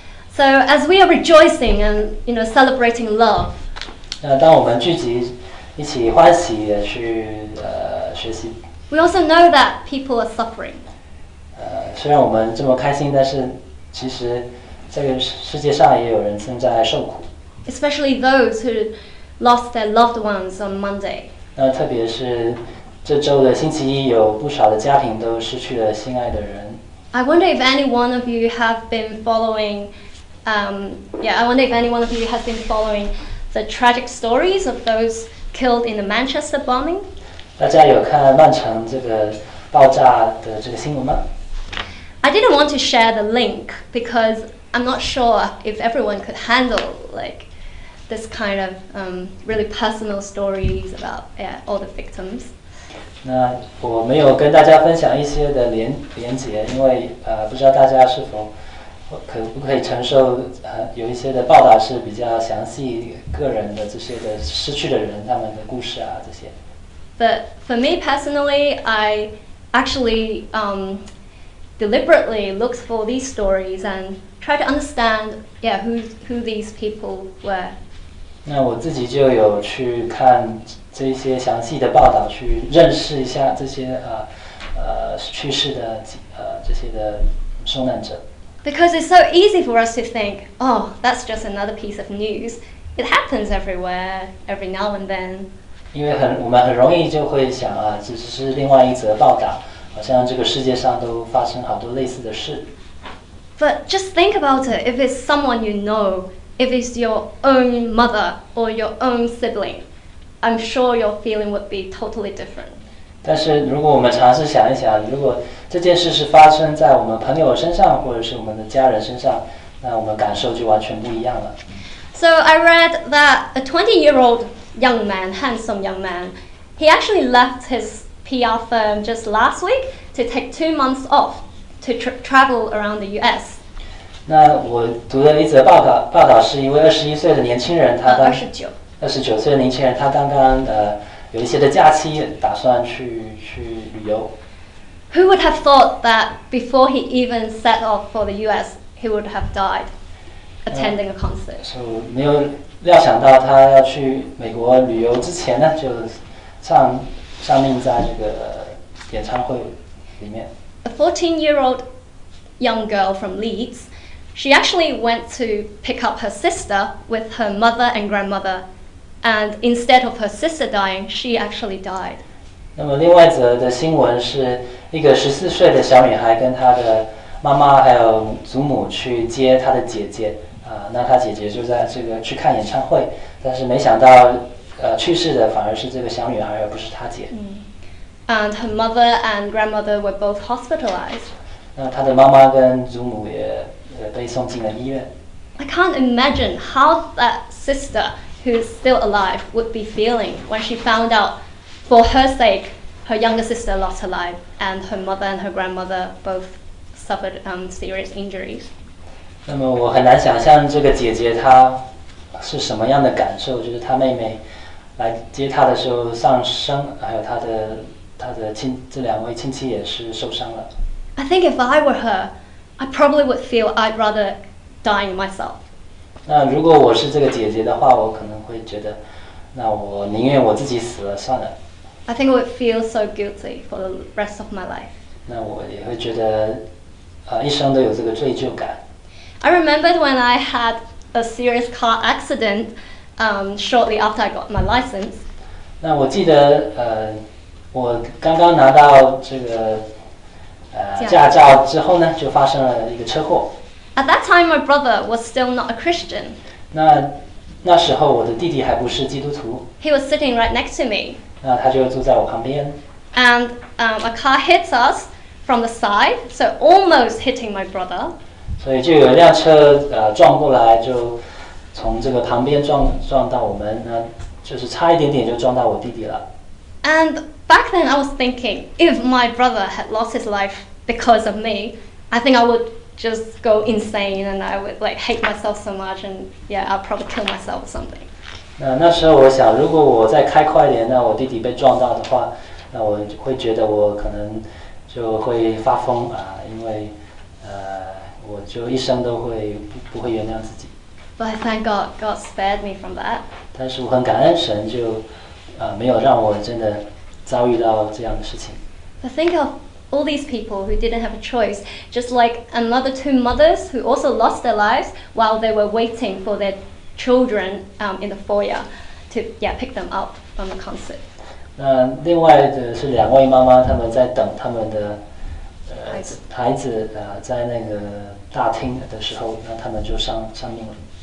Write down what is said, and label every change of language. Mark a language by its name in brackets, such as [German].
[English] So as we are rejoicing and you know celebrating love, [Chinese] 当我们聚集一起欢喜的去学习 [English] ，we also know that people are suffering. [Chinese] 虽然我们这么开心，但是其实这个世界上也有人正在受苦。 [English] Especially those who lost their loved ones on Monday. [Chinese] 那特别是这周的星期一，有不少的家庭都失去了心爱的人。 [English] I wonder if any one of you have been following, I wonder if any one of you has been following the tragic stories of those killed in the Manchester bombing. [Chinese] 大家有看曼城这个爆炸的这个新闻吗？ [English] I didn't want to share the link because I'm not sure if everyone could handle like this kind of really personal stories about all the victims. [Chinese] 那我没有跟大家分享一些的连结，因为不知道大家是否可不可以承受有一些的报道是比较详细个人的这些的失去的人他们的故事啊这些。 [English] But for me personally, I actually deliberately looked for these stories and tried to understand, who these people were. [Chinese] 那我自己就有去看这些详细的报道，去认识一下这些去世的这些的受难者。 [English] Because it's so easy for us to think, oh, that's just another piece of news. It happens everywhere, every now and then. [Chinese] 因为我们很容易就会想啊，这只是另外一则报道。好像这个世界上都发生好多类似的事。 [English] But just think about it. If it's someone you know, if it's your own mother or your own sibling, I'm sure your feeling would be totally different. [Chinese] 但是如果我们尝试想一想，如果这件事是发生在我们朋友身上，或者是我们的家人身上，那我们感受就完全不一样了。 [English] So I read that a 20-year-old young man, handsome young man, he actually left his PR firm just last week to take 2 months off to travel around the U.S. [Chinese] 那我读的一则报道是一位21岁的年轻人，他二十九， 29岁的年轻人，他刚刚有一些的假期，打算去旅游。 [English] Who would have thought that before he even set off for the U.S. he would have died attending a concert? [Chinese] 就没有料想到他要去美国旅游之前呢，就上命在这个演唱会里面。 [English] A 14-year-old young girl from Leeds, she actually went to pick up her sister with her mother and grandmother, and instead of her sister dying, she actually died. [Chinese] 那么另外一则的新闻是一个14岁的小女孩跟她的妈妈还有祖母去接她的姐姐，那她姐姐就在这个去看演唱会，但是没想到去世的反而是这个小女孩，而不是她姐。 [English] And her mother and grandmother were both hospitalized. [Chinese] 那她的妈妈跟祖母也被送进了医院。 [English] I can't imagine how that sister who's still alive would be feeling when she found out, for her sake, her younger sister lost her life, and her mother and her grandmother both suffered serious injuries. [Chinese] 那么我很难想象这个姐姐她是什么样的感受，就是她妹妹来接他的时候丧生，还有他的亲这两位亲戚也是受伤了。 [English] I think if I were her, I probably would feel I'd rather dying myself. [Chinese] 那如果我是这个姐姐的话，我可能会觉得，那我宁愿我自己死了算了。 [English] I think I would feel so guilty for the rest of my life. [Chinese] 那我也会觉得，一生都有这个罪疚感。 [English] I remembered when I had a serious car accident. Shortly after I got my license. [Chinese] 那我记得我刚刚拿到这个驾照之后呢，就发生了一个车祸。 [English] At that time, my brother was still not a Christian. [Chinese] 那时候我的弟弟还不是基督徒。 [English] He was sitting right next to me. [Chinese] 那他就坐在我旁边。 [English] And a car hits us from the side, so almost hitting my brother. [Chinese] 所以就有一辆车撞过来就。从这个旁边撞到我们，那就是差一点点就撞到我弟弟了。 [English] And back then I was thinking, if my brother had lost his life because of me, I think I would just go insane and I would like hate myself so much and yeah, I'll probably kill myself or something. [Chinese] 那时候我想，如果我再开快点，那我弟弟被撞到的话，那我会觉得我可能就会发疯因为我就一生都会不会原谅自己。 [English] But I thank God, God spared me from that. [Chinese] 但是我很感恩神就没有让我真的遭遇到这样的事情。 [English] But think of all these people who didn't have a choice, just like another two mothers who also lost their lives while they were waiting for their children in the foyer to pick them up from the concert. [Chinese] 那另外的是两位妈妈，他们在等他们的孩子在那个大厅的时候，那他们就丧命了。